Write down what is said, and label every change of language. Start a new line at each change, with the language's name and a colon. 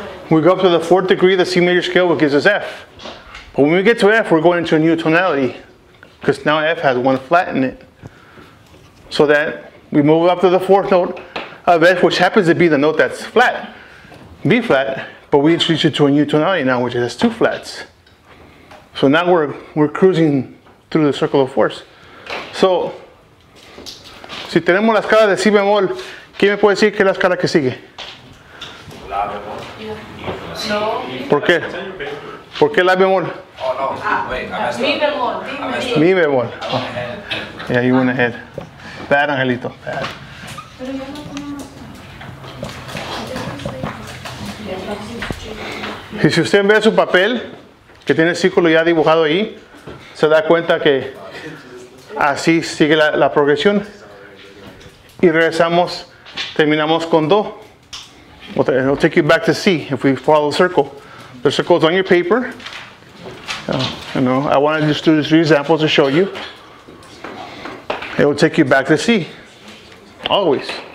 English: We go up to the fourth degree of the C major scale, which gives us F. But when we get to F, we're going into a new tonality, because now F has one flat in it. So that we move up to the fourth note of F, which happens to be the note that's flat, B flat, but we introduce it to a new tonality now, which has two flats. So now we're cruising through the circle of fourths.
Spanish: So, si tenemos la escala de si bemol, ¿quién me puede decir qué es la escala que sigue? La bemol. No. ¿Por qué? ¿Por qué la bemol?
English: Oh, no. Wait,
Spanish: mi bemol. Mi bemol. Oh.
English: Yeah, you went ahead. Bad, Angelito. Bad.
Spanish: Y si usted ve su papel, que tiene el círculo ya dibujado ahí, se da cuenta que así sigue la progresión. Y regresamos, terminamos con Do.
English: It'll take you back to C if we follow the circle. The circle is on your paper. You know, I want to just do these three examples to show you. It will take you back to C. Always.